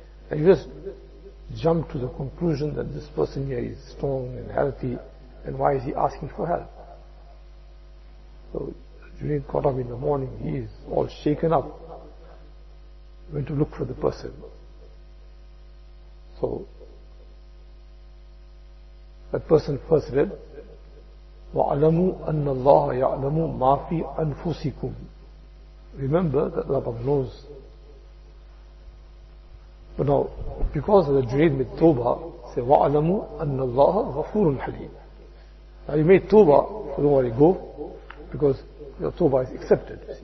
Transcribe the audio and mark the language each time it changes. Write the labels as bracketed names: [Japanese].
[English] And you just jumped to the conclusion that this person here is strong and healthy, and why is he asking for help? So Junaid got up in the morning, he is all shaken up, went to look for the person. So that person first read, [Arabic] وَعَلَمُوا أَنَّ اللَّهَ يَعْلَمُ مَا فِي أَنفُسِكُمْ. [English] Remember that Allah knows. But now, because of the Junaid made tawbah, say, [Arabic] وَعَلَمُوا أَنَّ اللَّهَ غَفُورٌ حَلِيمٌ. [English] Now you made tawbah, so don't worry, go. Because your tawbah is accepted.